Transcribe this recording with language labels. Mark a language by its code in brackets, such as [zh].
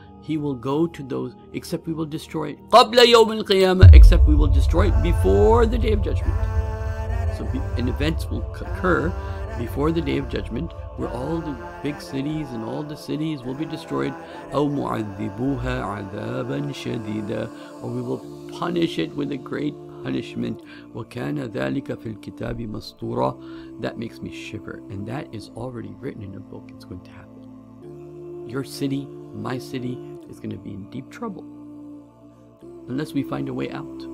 [en] He will go to those, except we will destroy it. [ar] Qabla yawm al-qiyamah, [en] except we will destroy it before the Day of Judgment. So an event will occur before the Day of Judgment where all the big cities and all the cities will be destroyed. [ar] أَوْ مُعَذِّبُوهَا عَذَابًا شَدِيدًا, [en] or we will punish it with a great punishment. [ar] وَكَانَ ذَلِكَ فِي الْكِتَابِ مَسْطُورًا, [en] that makes me shiver. And that is already written in a book. It's going to happen. Your city, my city, is going to be in deep trouble unless we find a way out.